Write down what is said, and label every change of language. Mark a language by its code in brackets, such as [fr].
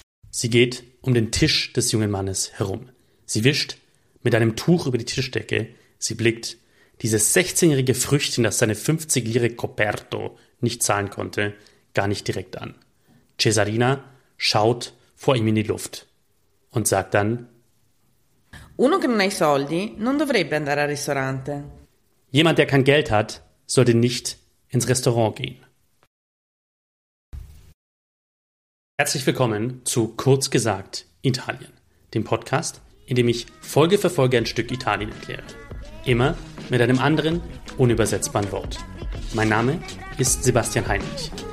[de] Sie geht um den Tisch des jungen Mannes herum. Sie wischt mit einem Tuch über die Tischdecke. Sie blickt dieses 16-jährige Früchtchen, das seine 50 Lire Coperto nicht zahlen konnte, gar nicht direkt an. Cesarina schaut vor ihm in die Luft und sagt dann: [it] Uno che non ha i soldi non dovrebbe andare al ristorante. [de] Jemand, der kein Geld hat, sollte nicht ins Restaurant gehen. Herzlich willkommen zu Kurz gesagt Italien, dem Podcast, in dem ich Folge für Folge ein Stück Italien erkläre. Immer mit einem anderen, unübersetzbaren Wort. Mein Name ist Sebastian Heinrich.